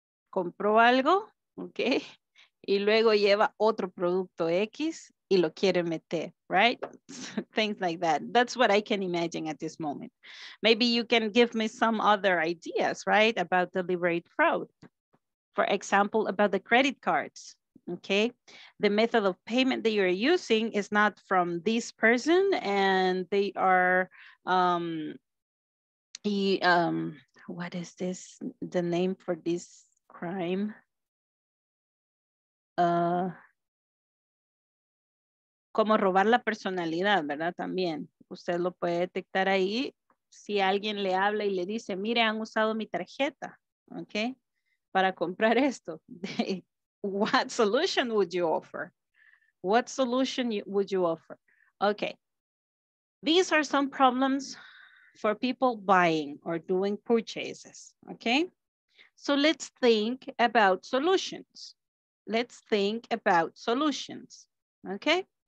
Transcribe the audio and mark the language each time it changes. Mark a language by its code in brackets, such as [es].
[es] Compró algo, okay, y luego lleva otro producto X y lo quiere meter, right? [en] Things like that. That's what I can imagine at this moment. Maybe you can give me some other ideas, right, about deliberate fraud. For example, about the credit cards, okay? The method of payment that you're using is not from this person, and they are, what is this, the name for this crime? [es] Como robar la personalidad, ¿verdad? También, usted lo puede detectar ahí, si alguien le habla y le dice, mire, han usado mi tarjeta, okay? Para comprar esto, [en] what solution would you offer? What solution would you offer? Okay, these are some problems for people buying or doing purchases, okay? So let's think about solutions. Let's think about solutions, okay?